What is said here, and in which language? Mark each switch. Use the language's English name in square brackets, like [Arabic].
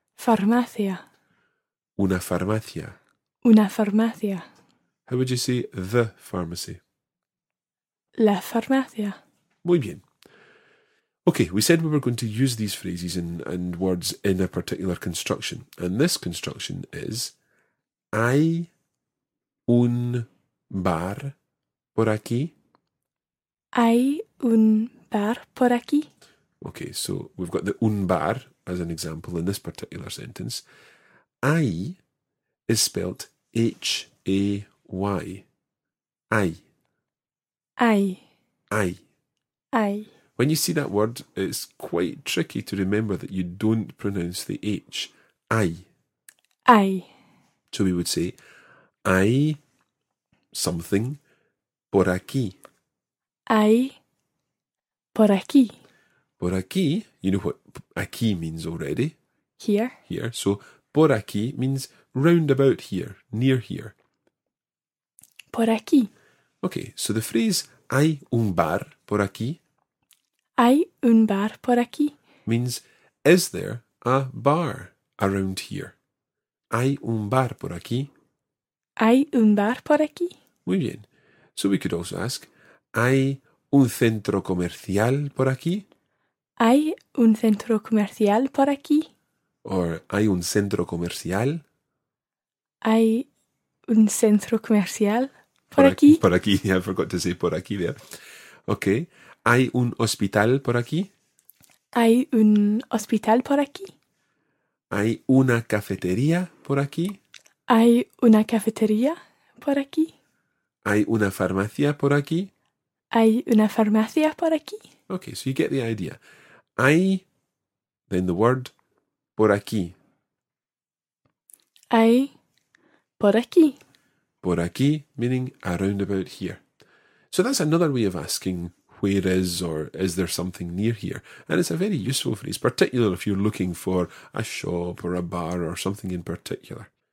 [Spanish] Farmacia. Una farmacia. Una farmacia. [English] How would you say the pharmacy? [Spanish] La farmacia. Muy bien. [English] Okay, we said we were going to use these phrases and words in a particular construction. And this construction is, [Spanish] hay un bar por aquí. Hay un bar por aquí. [English] Okay, so we've got the un bar as an example in this particular sentence. Hay is spelt H-A-Y. Hay. [Spanish] Hay. Hay. Hay. [English] When you see that word, it's quite tricky to remember that you don't pronounce the H. [Spanish] Hay. Hay. [English] So we would say, hay something [Spanish] por aquí. Hay por aquí. Por aquí, [English] you know what aquí means already. Here. Here. So [Spanish] por aquí [English] means round about here, near here. [Spanish] Por aquí. [English] Okay, so the phrase [Spanish] hay un bar por aquí. Hay un bar por aquí. [English] Means, is there a bar around here? [Spanish] Hay un bar por aquí. Hay un bar por aquí. Muy bien. [English] So we could also ask, [Spanish] hay un centro comercial por aquí. Hay un centro comercial por aquí. Or, hay un centro comercial. Hay un centro comercial por aquí. Por aquí, yeah, I forgot to say por aquí there. Okay. ¿Hay un hospital por aquí? ¿Hay un hospital por aquí? ¿Hay una cafetería por aquí? ¿Hay una cafetería por aquí? ¿Hay una farmacia por aquí? ¿Hay una farmacia por aquí? [English] Okay, so you get the idea. Hay, then the word, [Spanish] por aquí. Hay, por aquí. Por aquí, [English] meaning around about here. So that's another way of asking, where is or is there something near here? And it's a very useful phrase, particularly if you're looking for a shop or a bar or something in particular.